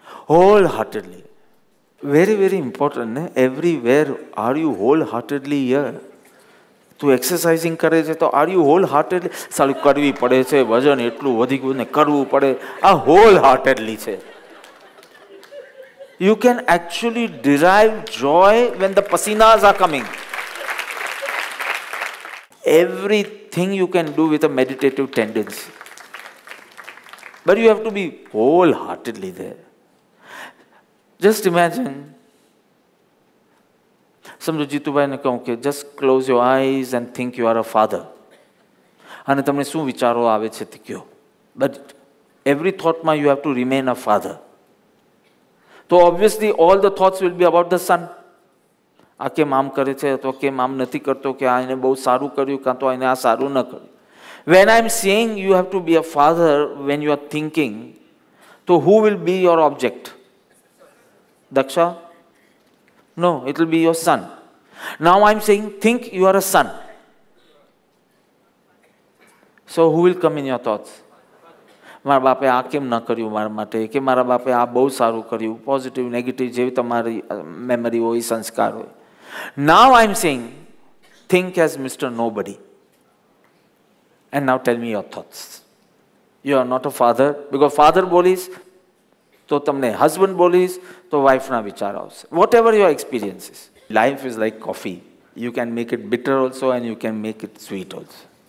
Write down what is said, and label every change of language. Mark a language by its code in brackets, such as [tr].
[en] Wholeheartedly very very important ને. Everywhere are you wholeheartedly યર? [gu] તું એક્સરસાઇઝિંગ કરે છે તો [en] Are you wholeheartedly? [gu] સારું કરવી પડે છે, વજન એટલું વધી ગયું ને કરવું પડે, આ હોલ હાર્ટેડલી છે. [en] You can actually derive joy when the pasinas are coming. Everything you can do with a meditative tendency. But you have to be wholeheartedly there. Just imagine, [gu] samjo Jitubhai ne kahu ke [en] just close your eyes and think you are a father. [gu] Ane tamne shu vicharo aave chhe te kyo? [en] But every thought ma you have to remain a father. [gu] તો [en] Obviously all the thoughts will be about the sun. [gu] આ કેમ આમ કરે છે, અથવા કેમ આમ નથી કરતો, કે આ એને બહુ સારું કર્યું, કાં તો એને આ સારું ન કર્યું. [en] When I am saying you have to be a father when you are thinking, તો who will be your object? Daksha? No, it will be your son. Now I am saying think you are a son, so who will come in your thoughts? [gu] મારા બાપે આ કેમ ન કર્યું મારા માટે, કે મારા બાપે આ બહુ સારું કર્યું. પોઝિટિવ નેગેટિવ જેવી તમારી મેમરી હોય, સંસ્કાર હોય. [en] Now I am saying think as mister nobody. And now tell me your thoughts. You are not a father, because father [gu] bolis, to tamne husband bolis, to wife na vichar avse. [en] Whatever your experiences. Life is like coffee. You can make it bitter also and you can make it sweet also.